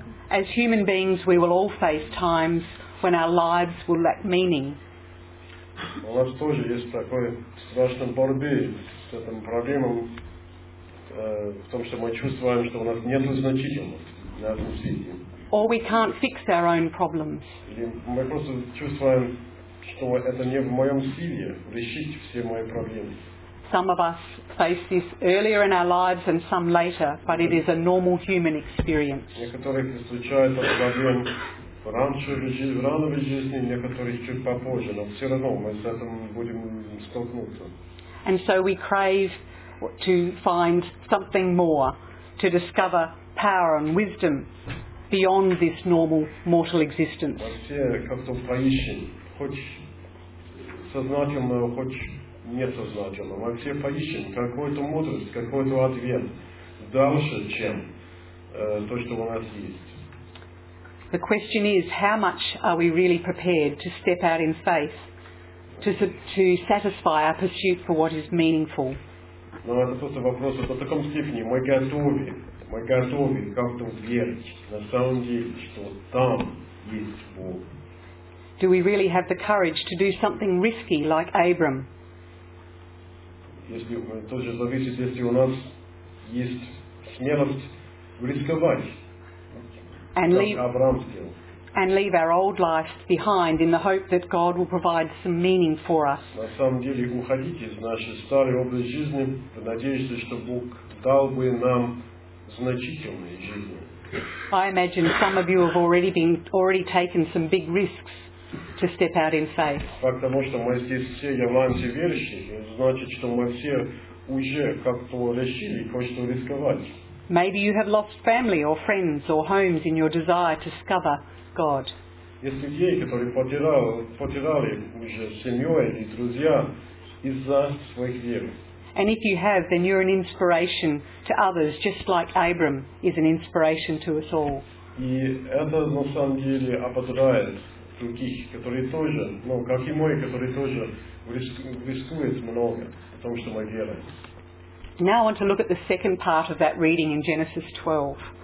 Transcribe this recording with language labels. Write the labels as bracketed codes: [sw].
[en] As human beings, we will all face times when our lives will lack meaning. [ru] У нас тоже есть такой страшной борьбы с этим проблемой, в том, что мы чувствуем, что у нас нет значительности на этом свете. [en] Or we can't fix our own problems. [ru] Или мы просто чувствуем, что это не в моем силе решить все мои проблемы. [en] Some of us face this earlier in our lives and some later, but it is a normal human experience. [ru] Некоторые встречают эту проблему раньше в рановой жизни, некоторые чуть попозже, но все равно мы с этим будем столкнуться. [en] And so we crave to find something more, to discover power and wisdom beyond this normal mortal existence. [ru] Вообще, как-то поищем, хоть сознательно, хоть несознательно, мы все поищем какую-то мудрость, какой-то ответ дальше, чем то, что у нас есть. [en] The question is, how much are we really prepared to step out in faith to satisfy our pursuit for what is meaningful? [ru] Ну, это просто вопрос. В таком степени мы готовы как-то верить на самом деле, что там есть Бог. [en] Do we really have the courage to do something risky like Abram? [ru] Если это же зависит, если у нас есть смелость рисковать. [en] And leave our old life behind in the hope that God will provide some meaning for us. [ru] На самом деле, уходить из нашей старой образ жизни, надеясь, что Бог дал бы нам значительные жизни. [en] I imagine some of you have already taken some big risks to step out in faith. [ru] Потому что мы здесь все являемся верующими, значит, что мы все уже как-то решили кое-что рисковать. [en] Maybe you have lost family or friends or homes in your desire to discover God. [ru] Есть людей, которые потеряли уже семью или друзья из-за своих вер. [en] And if you have, then you're an inspiration to others, just like Abram is an inspiration to us all. [ru] И это на самом деле ободряет других, которые тоже, ну как и мои, которые тоже рискуют много, потому что мы верим. [en] Now I want to look at the second part of that reading in Genesis 12.